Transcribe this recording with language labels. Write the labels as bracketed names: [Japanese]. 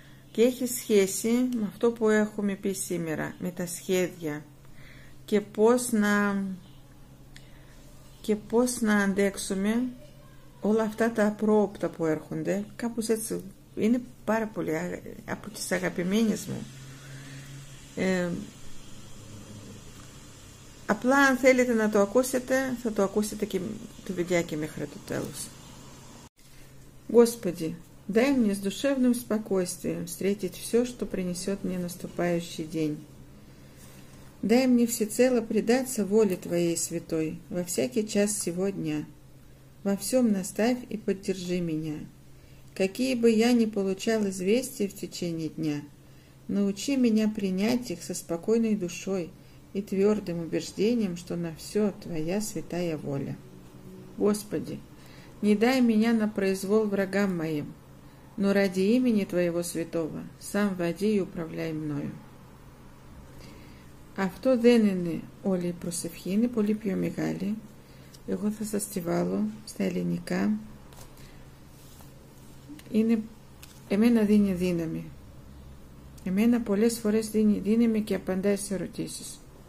[Greek] Και έχει σχέση με αυτό που έχουμε πει σήμερα, με τα σχέδια και πώς να, αντέξουμε όλα αυτά τα απρόοπτα που έρχονται. Κάπως έτσι είναι πάρα πολύ από τις αγαπημένες μου. Απλά αν θέλετε να το ακούσετε, θα το ακούσετε και το βιντεάκι μέχρι το τέλος. [Russian] Господи, дай мне с душевным спокойствием встретить все, что принесет мне наступающий день. Дай мне всецело предаться воле Твоей Святой во всякий час сего дня. Во всем наставь и поддержи меня. Какие бы я ни получал известия в течение дня, научи меня принять их со спокойной душой и твердым убеждением, что на все Твоя святая воля. Господи, не дай меня на произвол врагам моим, но ради имени Твоего Святого сам води и управляй мною. [Greek] Αυτό δεν είναι όλη η προσευχή, είναι πολύ πιο μεγάλη. Εγώ θα σας τη βάλω στα ελληνικά. Είναι, εμένα δίνει δύναμη. Εμένα πολλές φορές δίνει δύναμη και απαντάει σε ερωτήσεις.